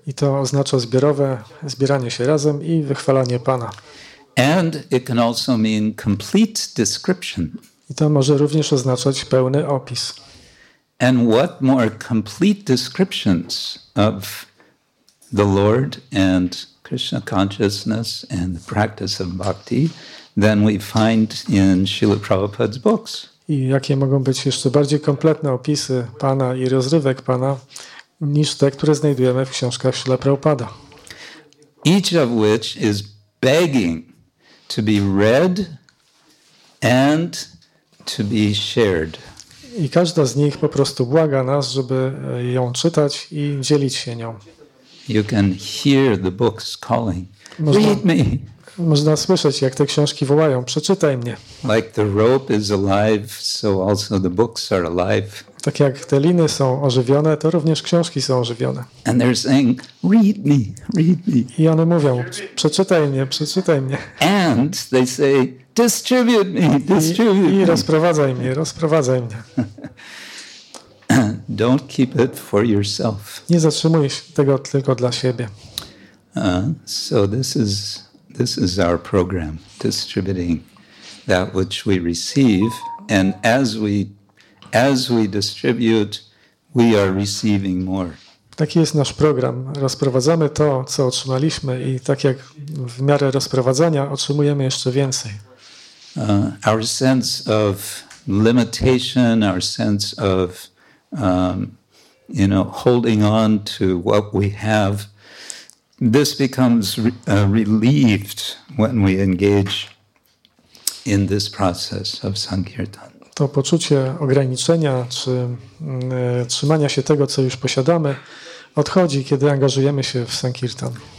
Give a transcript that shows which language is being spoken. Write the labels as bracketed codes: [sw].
[pl] I to oznacza zbiorowe, zbieranie się razem i wychwalanie Pana. [en] And it can also mean complete description. [pl] I to może również oznaczać pełny opis. [en] And what more complete descriptions of the Lord and Krishna consciousness and the practice of bhakti than we find in Srila Prabhupada's books. [pl] I jakie mogą być jeszcze bardziej kompletne opisy Pana i rozrywek Pana niż te, które znajdujemy w książkach Srila Prabhupada. [en] Each of which is begging to be read and to be shared. [pl] I każda z nich po prostu błaga nas, żeby ją czytać i dzielić się nią. [en] You can hear the books calling. Read me. [pl] Można słyszeć, jak te książki wołają: przeczytaj mnie. [en] Like the rope is alive, so also the books are alive. [pl] Tak jak te liny są ożywione, to również książki są ożywione. [en] And they're saying, read me, read me. [pl] I one mówią: przeczytaj mnie, przeczytaj mnie. [en] And they say, distribute me, distribute me. [pl] I rozprowadzaj mnie, rozprowadzaj mnie. [en] Don't keep it for yourself. [pl] Nie zatrzymuj tego tylko dla siebie. [en] So this is our program, distributing that which we receive, and as we distribute, we are receiving more. [pl] Taki jest nasz program. Rozprowadzamy to, co otrzymaliśmy, i tak jak w miarę rozprowadzania otrzymujemy jeszcze więcej. [en] Our sense of limitation, our sense of holding on to what we have, this becomes relieved when we engage in this process of sankirtan. [pl] To poczucie ograniczenia czy trzymania się tego, co już posiadamy, odchodzi, kiedy angażujemy się w sankirtan.